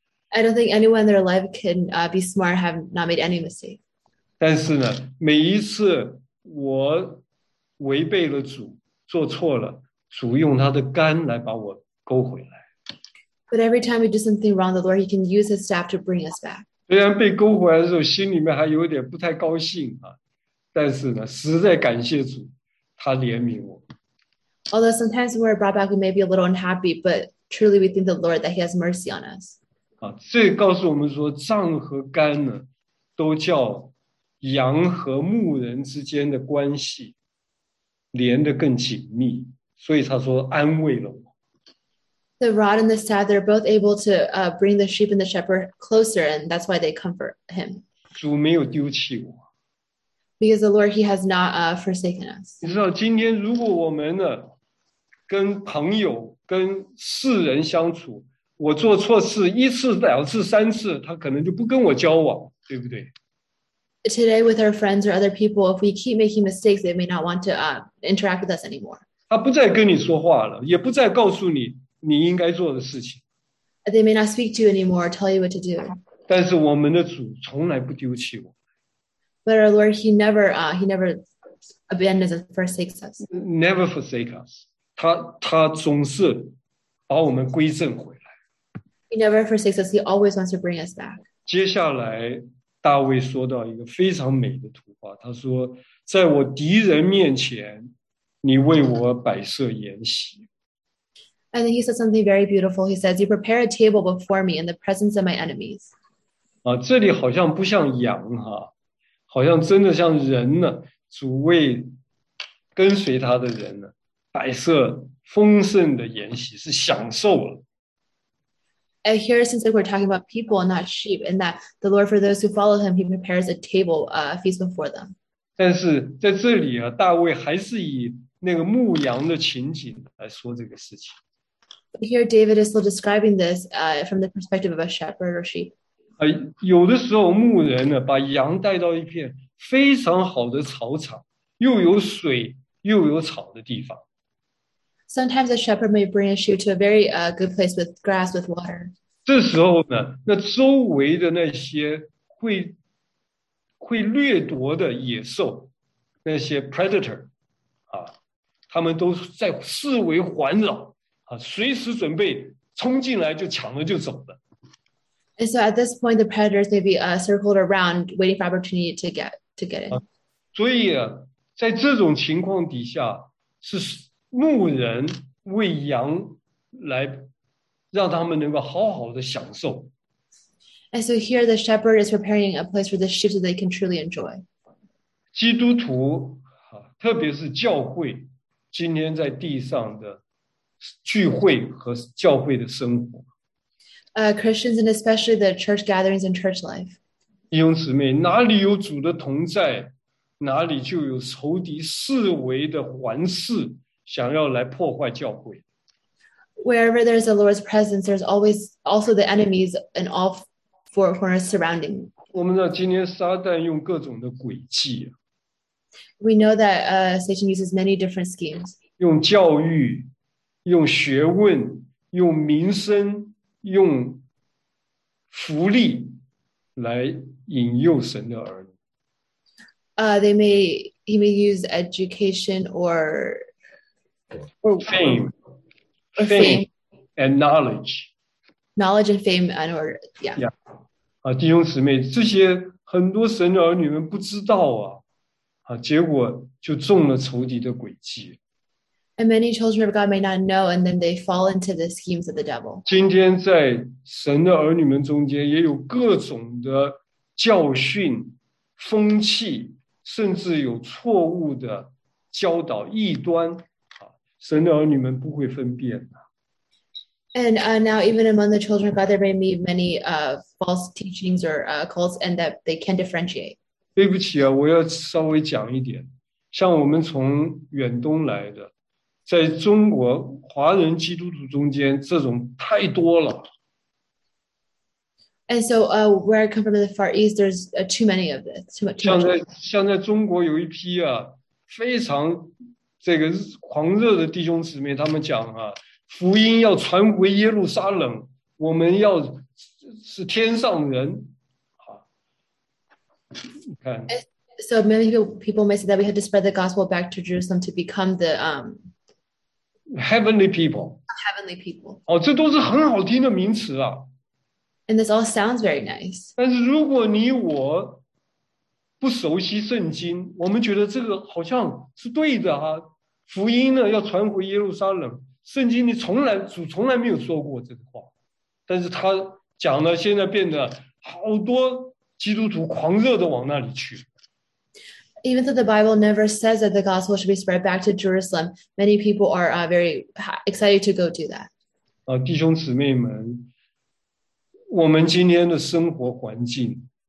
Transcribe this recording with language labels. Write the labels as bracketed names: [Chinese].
[English] I don't think anyone in their life can be smart, have not made any mistake. [Chinese] 但是呢，每一次我违背了主，做错了，主用他的杆来把我勾回来。 [English] But every time we do something wrong, the Lord He can use His staff to bring us back. [Chinese] 虽然被勾回来的时候，心里面还有点不太高兴啊，但是呢，实在感谢主，他怜悯我。 [English] Although sometimes when we're brought back, we may be a little unhappy, but truly we thank the Lord that He has mercy on us. [Chinese] 这告诉我们说，杖和杆呢，都叫羊和牧人之间的关系连得更紧密，所以他说安慰了我。 [English] The rod and the staff, they're both able to bring the sheep and the shepherd closer, and that's why they comfort him. [Chinese] 主没有丢弃我。 [English] Because the Lord, He has not forsaken us. [Chinese] 你知道，今天如果我们呢，跟朋友、跟世人相处，我做错事一次、两次、三次，他可能就不跟我交往，对不对？ [English] Today, with our friends or other people, if we keep making mistakes, they may not want to interact with us anymore. [Chinese] 他不再跟你说话了，也不再告诉你你应该做的事情。 [English] They may not speak to you anymore or tell you what to do. [Chinese] 但是我们的主从来不丢弃我。 [English] But our Lord, He never abandons us, forsakes us. Never forsake us. [Chinese] 他总是把我们归正回来。 [English] He never forsakes us. He always wants to bring us back. [Chinese] 接下来大卫说到一个非常美的图画，他说：“在我敌人面前，你为我摆设筵席。” [English] And then he said something very beautiful. He says, "You prepare a table before me in the presence of my enemies." [Chinese] 啊，这里好像不像羊哈，好像真的像人呢。主为跟随他的人呢，摆设丰盛的筵席，是享受了。 [English] And here, since we're talking about people and not sheep, and that the Lord, for those who follow him, he prepares a table, a feast before them. [Chinese] 但是在这里啊，大卫还是以那个牧羊的情景来说这个事情。 [English] But here, David is still describing this, from the perspective of a shepherd or sheep. [Chinese] 有的时候牧人呢，把羊带到一片非常好的草场，又有水又有草的地方。 [English] Sometimes a shepherd may bring a sheep to a very good place with grass, with water. [Chinese] 这时候呢，那周围的那些会掠夺的野兽，那些 predator, 啊，他们都在四围环绕，啊，随时准备冲进来就抢了就走了。 [English] And so at this point, the predators may be circled around, waiting for opportunity to get in. [Chinese] 所以啊，在这种情况底下是。牧人为羊来让他们能够好好的享受。 [English] And so here the shepherd is preparing a place for the sheep so they can truly enjoy. [Chinese] 基督徒，特别是教会，今天在地上的聚会和教会的生活。 [English] Christians and especially the church gatherings and church life. [Chinese] 弟兄姊妹，哪里有主的同在，哪里就有仇敌四围的环伺。想要来破坏教会。 [English] Wherever there's the Lord's presence, there's always also the enemies and all four corners surrounding. [Chinese] 我们知道今天撒旦用各种的诡计。 [English] We know that Satan uses many different schemes. [Chinese] 用教育，用学问，用名声，用福利来引诱神的儿女。 [English] He may use education or Fame and knowledge. Knowledge and fame and or, yeah. [Chinese] Yeah. 弟兄姊妹，这些很多神的儿女们不知道啊，结果就中了仇敌的诡计。 [English] And many children of God may not know, and then they fall into the schemes of the devil. [Chinese] 今天在神的儿女们中间也有各种的教训、风气，甚至有错误的教导、异端。神的儿女们不会分辨的。 [English] And now, even among the children of God, there may be many false teachings or cults, and that they can differentiate. [Chinese] 对不起啊，我要稍微讲一点。像我们从远东来的，在中国华人基督徒中间，这种太多了。 [English] And so, where I come from in the Far East, there's too many of this. Too much. [Chinese] 像在中国有一批啊，非常。这个狂热的弟兄姊妹，他们讲啊，福音要传回耶路撒冷，我们要是天上人，啊，看。 [English] So many people may say that we had to spread the gospel back to Jerusalem to become the heavenly people. Heavenly people. [Chinese] 哦，这都是很好听的名词啊。 [English] And this all sounds very nice. [Chinese] 但是如果你我不熟悉圣经，我们觉得这个好像是对的啊。福音呢，要传回耶路撒冷。圣经你从来主从来没有说过这个话，但是他讲呢，现在变得好多基督徒狂热的往那里去。 [English] Even though the Bible never says that the gospel should be spread back to Jerusalem, many people are very excited to go do that. [Chinese] 啊，弟兄姊妹们，我们今天的生活环境。